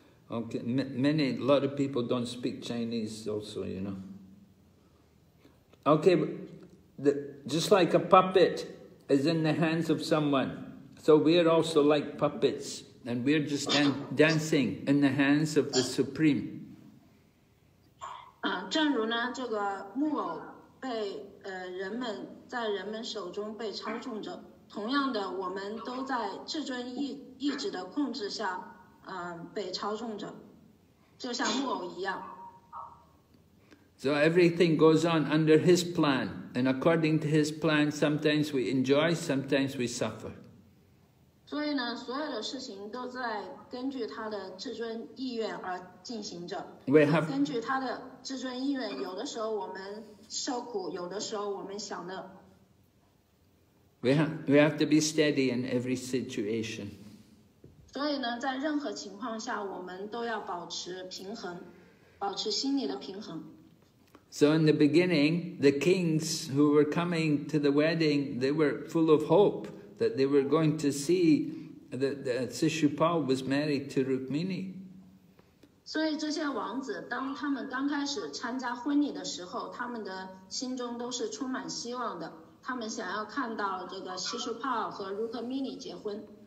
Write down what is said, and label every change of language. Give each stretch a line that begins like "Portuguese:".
English: Okay, many, a lot of people don't speak Chinese also, you know. Okay, just like a puppet is in the hands of someone, so we are also like puppets, and we are just dancing in the hands of the Supreme.
Chinese: 正如呢，这个木偶被人们在人们手中被操纵着，同样的，我们都在至尊意志的控制下。被操纵着，就像木偶一样。
English: So everything goes on under his plan, and according to his plan, sometimes we enjoy, sometimes we suffer.
Chinese: 所以呢，所有的事情都在根据他的至尊意愿而进行着。
English: We have
Chinese: 根据他的至尊意愿，有的时候我们受苦，有的时候我们享乐。
English: We have to be steady in every situation.
Chinese: 所以呢，在任何情况下，我们都要保持平衡，保持心理的平衡。
English: So in the beginning, the kings who were coming to the wedding, they were full of hope that they were going to see that Shishupal was married to Rukmini.
Chinese: 所以这些王子，当他们刚开始参加婚礼的时候，他们的心中都是充满希望的，他们想要看到这个 Shishupal 和 Rukmini 结婚。